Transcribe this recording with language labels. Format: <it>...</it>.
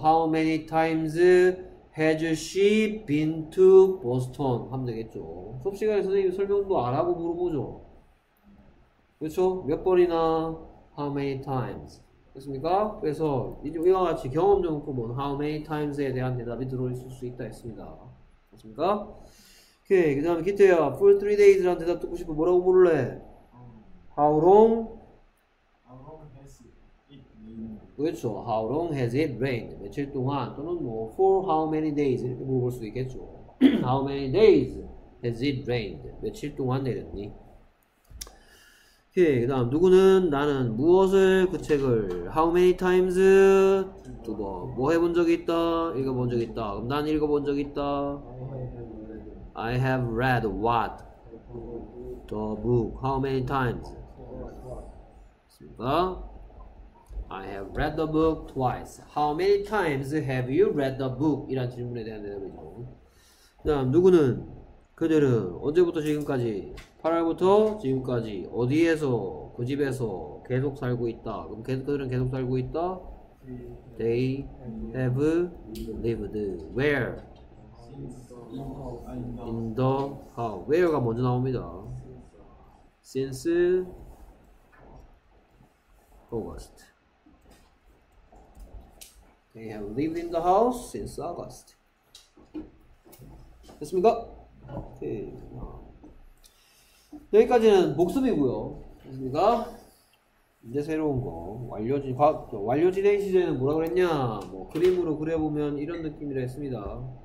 <en>How many times has she been to Boston?</en> <ko>하면 되겠죠. 수업 시간에 선생님 설명도 안 하고 물어보죠. 그렇죠. 몇 번이나?</ko> <en>How many times?</en> <ko>됐습니까? 그래서 이와 같이 경험 정보는 How many times에 대한 대답이 들어있을 수 있다 했습니다. 됐습니까? 오케이. 그 다음에 기태야 For 3 days라는 대답 듣고 싶어. 뭐라고 물을래?</ko> <en>How long? How long has it rained?</en> <ko>그렇죠.</ko> <en>How long has it rained?</en> <ko>며칠 동안 또는 뭐 For how many days 이렇게 물어볼 수 있겠죠.</ko> <en>How many days has it rained?</en> <ko>며칠 동안 내렸니? 오케이. 그 다음 누구는 나는 무엇을 그 책을</ko> <en>How many times?</en> <ko>두 번. 뭐 해본 적이 있다? 읽어본 적이 있다. 그럼 난 읽어본 적이 있다.</ko> <en>I have read what? The book. How many times?</en> <ko>됐습니까?</ko> <en>I have read the book twice. How many times have you read the book?</en> <ko>이란 질문에 대한 대답이죠. 그 다음 누구는 그들은 언제부터 지금까지? 8월부터 지금까지 어디에서 그 집에서 계속 살고 있다. 그럼 그들은 계속 살고 있다?</ko> <en>They have lived where? In the house.</en> <ko>Where가 먼저 나옵니다.</ko> <en>Since August. They have lived in the house since August.</en> <ko>됐습니까? 오케이. 여기까지는 복습이고요. 됐습니까? 이제 새로운 거. 완료 진행 시제는 뭐라 그랬냐? 뭐 그림으로 그려보면 이런 느낌이라 했습니다.</ko>